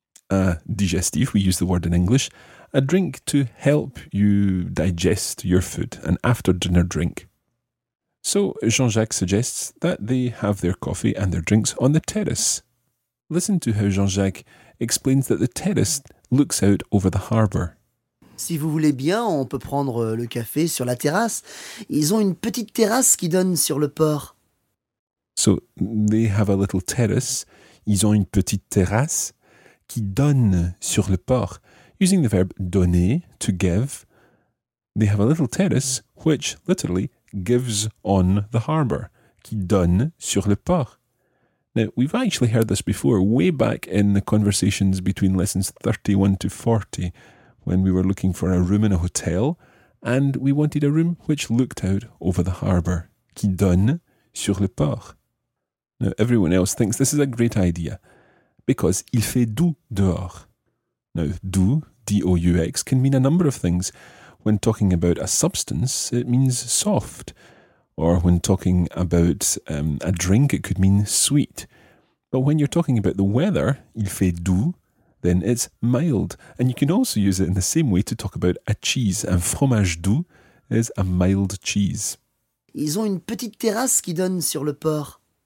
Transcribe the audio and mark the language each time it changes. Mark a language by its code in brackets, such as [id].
[en] A digestif, we use the word in English, a drink to help you digest your food, an after-dinner drink. So Jean-Jacques suggests that they have their coffee and their drinks on the terrace. Listen to how Jean-Jacques explains that the terrace looks out over the harbour. [fr] Si vous voulez bien, on peut prendre le café sur la terrasse. Ils ont une petite terrasse qui donne sur le port. [en] So they have a little terrace. [fr] Ils ont une petite terrasse qui donne sur le port. [en] Using the verb donner, to give, they have a little terrace which literally gives on the harbour, [fr] qui donne sur le port. [en] Now, we've actually heard this before, way back in the conversations between lessons 31 to 40, when we were looking for a room in a hotel, and we wanted a room which looked out over the harbour, [fr] qui donne sur le port. [en] Now, everyone else thinks this is a great idea, because [fr] il fait doux dehors. [en] Now, doux, D-O-U-X, can mean a number of things. When talking about a substance, it means soft. Or when talking about a drink, it could mean sweet. But when you're talking about the weather, [fr] il fait doux, [en] then it's mild. And you can also use it in the same way to talk about a cheese. [fr] Un fromage doux [en] is a mild cheese. [fr] Ils ont une petite terrasse qui donne sur le port.